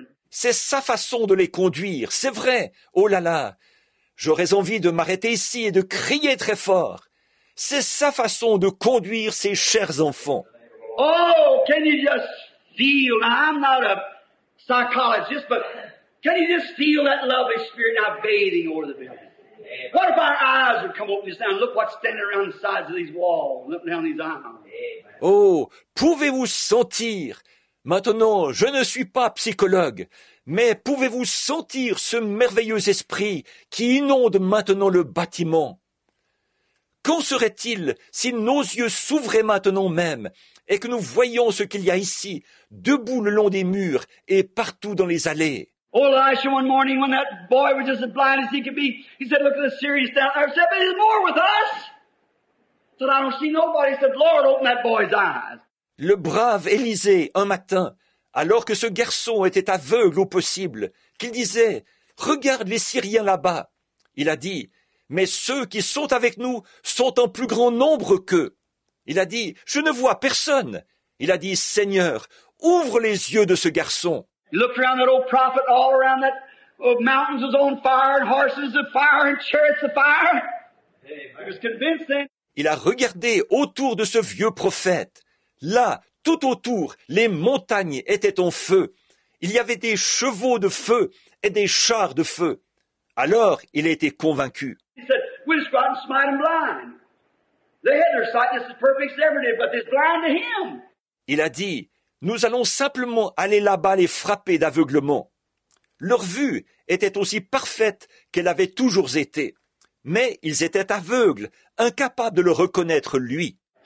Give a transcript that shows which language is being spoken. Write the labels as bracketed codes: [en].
[fr] C'est sa façon de les conduire, c'est vrai. Oh là là, j'aurais envie de m'arrêter ici et de crier très fort. C'est sa façon de conduire ses chers enfants. [en] Oh, can you just feel? Now, I'm not a psychologist, but... Can you just feel that lovely spirit now bathing over the building? What if our eyes would come open just now and look what's standing around the sides of these walls, looking down these aisles? [fr] Oh, pouvez-vous sentir? Maintenant, je ne suis pas psychologue, mais pouvez-vous sentir ce merveilleux esprit qui inonde maintenant le bâtiment? Qu'en serait-il si nos yeux s'ouvraient maintenant même et que nous voyions ce qu'il y a ici, debout le long des murs et partout dans les allées? [en] Oh, Elisha, one morning when that boy was just as blind as he could be, he said, look at the series down there. He said, but there's more with us. He said, I don't see nobody. He said, Lord, open that boy's eyes. [fr] Le brave Élisée, un matin, alors que ce garçon était aveugle au possible, qu'il disait, regarde les Syriens là-bas. Il a dit, mais ceux qui sont avec nous sont en plus grand nombre qu'eux. Il a dit, je ne vois personne. Il a dit, Seigneur, ouvre les yeux de ce garçon. [en] He looked around that old prophet, all around that mountains was on fire, and horses of fire, and chariots of fire. He was convinced then. [fr] Il a regardé autour de ce vieux prophète. Là, tout autour, les montagnes étaient en feu. Il y avait des chevaux de feu et des chars de feu. Alors, il a été convaincu. [en] He said, we just go out and smite them blind. They had their sight, this is perfect every day, but they're blind to him. [fr] Il a dit, nous allons simplement aller là-bas les frapper d'aveuglement. Leur vue était aussi parfaite qu'elle avait toujours été. Mais ils étaient aveugles, incapables de le reconnaître, lui.